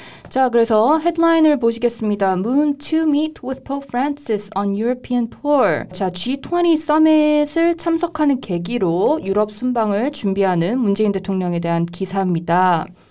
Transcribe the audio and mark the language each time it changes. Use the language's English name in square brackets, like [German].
[Korean] 자, 그래서 헤드라인을 보시겠습니다. [English] Moon to meet with Pope Francis on European tour. [Korean] 자, G20 summit을 참석하는 계기로 유럽 순방을 준비하는 문재인 대통령에 대한 기사입니다.